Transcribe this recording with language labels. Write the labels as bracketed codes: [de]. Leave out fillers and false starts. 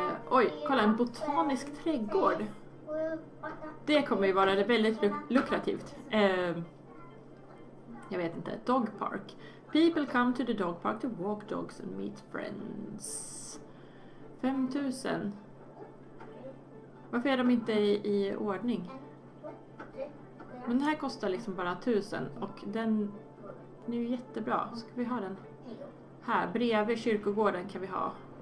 [sv] Oj, kolla, en botanisk trädgård. Det kommer ju vara väldigt lukrativt. Jag vet inte, dog park. [en] People come to the dog park to walk dogs and meet friends. 5000. [sv] Varför är de inte i ordning? Men den här kostar liksom bara 1000 och den är ju jättebra. Ska vi ha den här bredvid kyrkogården kan vi ha.